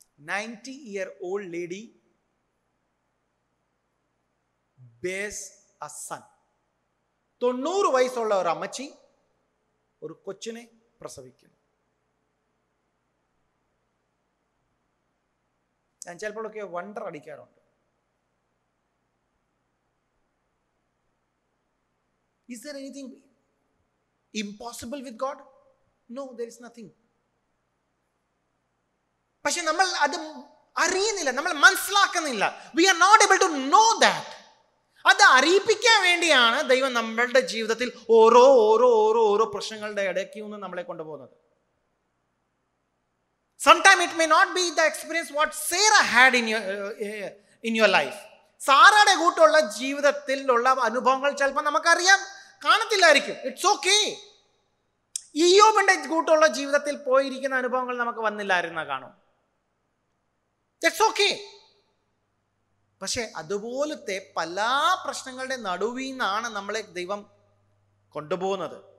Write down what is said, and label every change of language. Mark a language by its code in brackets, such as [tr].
[en] 90-year-old lady bears a son. [ml] 90 വയസ്സുള്ള ഒരു അമ്മച്ചി ഒരു കൊച്ചിനെ പ്രസവിക്കുന്നു. ഞാൻ ചിലപ്പോഴൊക്കെ wonder അടിക്കാറുണ്ട്. [en] Is there anything impossible with God? No, there is nothing. [ml] പക്ഷെ നമ്മൾ അത് അറിയുന്നില്ല, നമ്മൾ മനസ്സിലാക്കുന്നില്ല. [en] We are not able to know that. [ml] അത് അറിയിപ്പിക്കാൻ വേണ്ടിയാണ് ദൈവം നമ്മളുടെ ജീവിതത്തിൽ ഓരോ പ്രശ്നങ്ങളുടെ ഇടയ്ക്ക് ഒന്ന് നമ്മളെ കൊണ്ടുപോകുന്നത്. [en] Sometimes it may not be the experience what Sarah had in your life. [ml] സാറയുടെ കൂട്ടുള്ള ജീവിതത്തിലുള്ള അനുഭവങ്ങൾ ചിലപ്പോൾ നമുക്കറിയാൻ കാണത്തില്ലായിരിക്കും. [en] It's okay. [ml] ഇയ്യോബിന്റെ കൂട്ടുള്ള ജീവിതത്തിൽ പോയിരിക്കുന്ന അനുഭവങ്ങൾ നമുക്ക് വന്നില്ലായിരുന്ന കാണും. [en] It's okay. [ml] പക്ഷെ അതുപോലത്തെ പല പ്രശ്നങ്ങളുടെ നടുവിൽ നിന്നാണ് നമ്മളെ ദൈവം കൊണ്ടുപോകുന്നത്.